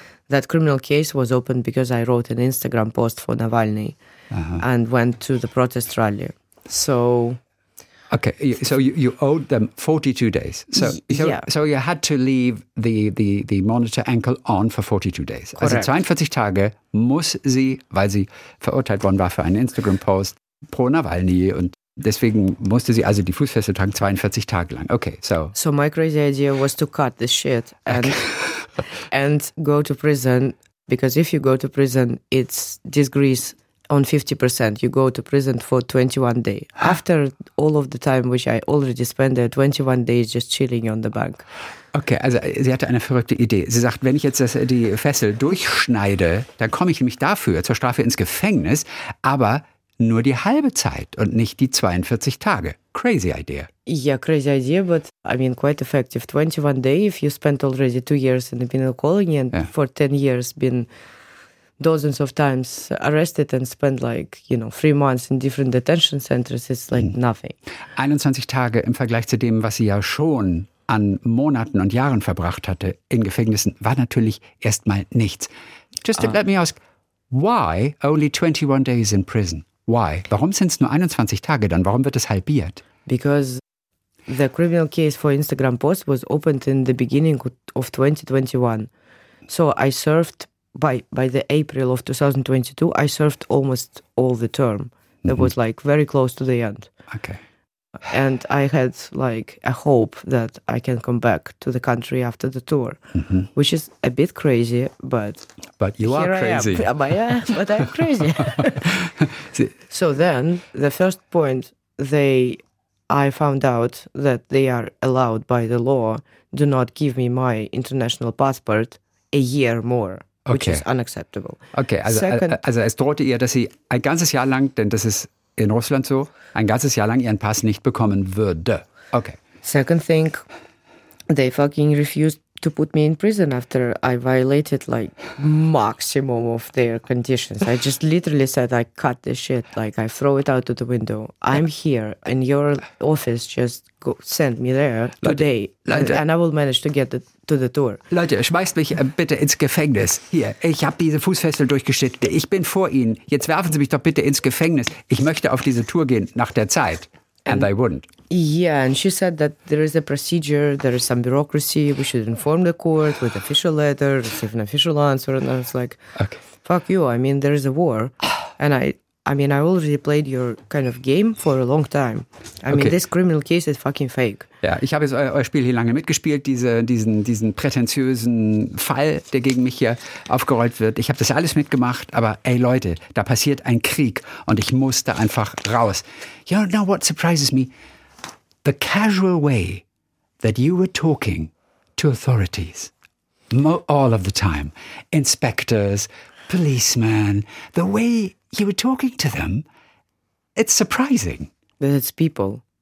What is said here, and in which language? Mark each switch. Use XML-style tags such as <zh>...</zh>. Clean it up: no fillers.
<en>That criminal case was opened because I wrote an Instagram post for Navalny and went to the protest rally. So... Okay, so you owed them 42 days. So you had to leave the monitor ankle on for 42 days. Correct.</en> <de>Also 42 Tage muss sie, weil sie verurteilt worden war für einen Instagram-Post pro Navalny. Und deswegen musste sie also die Fußfessel tragen 42 Tage lang.</de> <en>Okay, so. So my crazy idea was to cut this shit and okay. and go to prison. Because if you go to prison, it's disgrace. On 50%, you go to prison for 21 days. After all of the time, which I already spent there, 21 days just chilling on the bank.</en> <de>Okay, also sie hatte eine verrückte Idee. Sie sagt, wenn ich jetzt die Fessel durchschneide, dann komme ich nämlich dafür zur Strafe ins Gefängnis, aber nur die halbe Zeit und nicht die 42 Tage.</de> <en>Crazy idea. Yeah, crazy idea, but I mean quite effective. 21 days, if you spent already 2 years in the penal colony and for 10 years been... dozens of times arrested and spent like, you know, 3 months in different detention centers. It's like nothing.</en> <de>21 Tage im Vergleich zu dem, was sie ja schon an Monaten und Jahren verbracht hatte in Gefängnissen, war natürlich erstmal nichts.</de> <en>Just let me ask, why only 21 days in prison? Why?</en> <de>Warum sind es nur 21 Tage dann? Warum wird es halbiert?</de> <en>Because the criminal case for Instagram post was opened in the beginning of 2021. So I served by the April of 2022, I served almost all the term. Mm-hmm. That was like very close to the end. Okay. And I had like a hope that I can come back to the country after the tour, mm-hmm. which is a bit crazy, but... But you are crazy. But I'm crazy. So then the first point, I found out that they are allowed by the law do not give me my international passport a year more, okay. which is unacceptable.</en> <de>Okay, also es drohte ihr, dass sie ein ganzes Jahr lang, denn das ist in Russland so, ein ganzes Jahr lang ihren Pass nicht bekommen würde.</de> <en>Okay. Second thing, they fucking refused to put me in prison after I violated like maximum of their conditions. I just literally said I cut this shit, like I throw it out of the window. I'm here in your office, just go, send me there today.</en> <de>Leute,</de> <en>and I will manage to get to the tour.</en> <de>Leute, schmeißt mich bitte ins Gefängnis. Hier, ich habe diese Fußfessel durchgeschnitten. Ich bin vor Ihnen. Jetzt werfen Sie mich doch bitte ins Gefängnis. Ich möchte auf diese Tour gehen nach der Zeit.</de> <en>And they wouldn't. Yeah, and she said that there is a procedure, there is some bureaucracy, we should inform the court with official letter, receive an official answer, and I was like, okay. Fuck you, I mean, there is a war, and I mean, I already played your kind of game for a long time. I mean, this criminal case is fucking fake.</en> <de>Ja, ich habe jetzt euer Spiel hier lange mitgespielt, diesen prätentiösen Fall, der gegen mich hier aufgerollt wird. Ich habe das alles mitgemacht, aber ey Leute, da passiert ein Krieg und ich musste einfach raus.</de> <en>You know what surprises me? The casual way that you were talking to authorities all of the time. Inspectors, policemen, the way... You were talking to them. It's surprising. That it's people.</en>